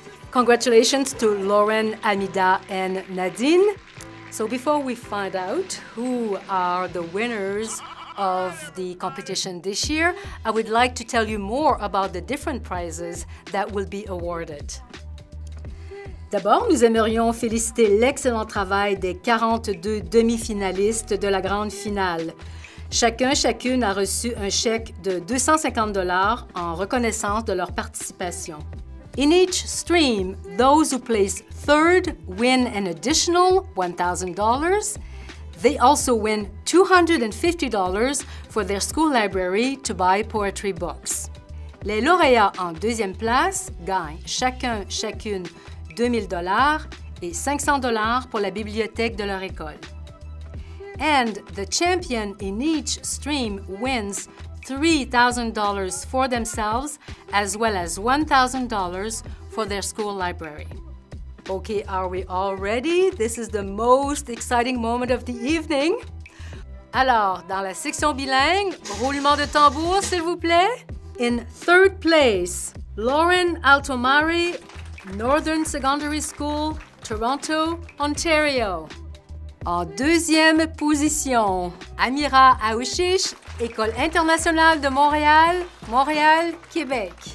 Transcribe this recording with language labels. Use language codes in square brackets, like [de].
[en] Congratulations to Lauren, Amida, and Nadine. So before we find out who are the winners of the competition this year, I would like to tell you more about the different prizes that will be awarded. [fr] D'abord, nous aimerions féliciter l'excellent travail des 42 demi-finalistes de la grande finale. Chacun, chacune a reçu un chèque de 250 $ en reconnaissance de leur participation. [en] In each stream, those who place third win an additional $1,000. They also win $250 for their school library to buy poetry books. [fr] Les lauréats en deuxième place gagnent chacun, chacune 2 000 $ et 500 $ pour la bibliothèque de leur école. [en] And the champion in each stream wins $3,000 for themselves as well as $1,000 for their school library. Okay, are we all ready? This is the most exciting moment of the evening. [fr] Alors, dans la section bilingue, roulement de tambour, s'il vous plaît. [en] In third place, Lauren Altomare, Northern Secondary School, [fr] Toronto, Ontario. En deuxième position, Amira Aouchiche, École internationale de Montréal, Montréal, Québec.